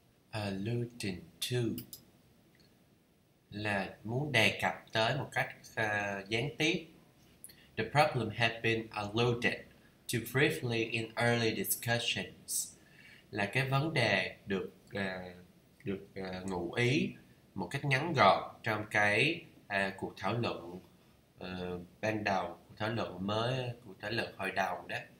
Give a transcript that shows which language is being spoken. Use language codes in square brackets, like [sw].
[vi] Alluding to là muốn đề cập tới một cách gián tiếp. [en] The problem had been alluded to briefly in early discussions. [vi] Là cái vấn đề được ngụ ý một cách ngắn gọn trong cái cuộc thảo luận ban đầu, cuộc thảo luận mới, cuộc thảo luận hồi đầu đó.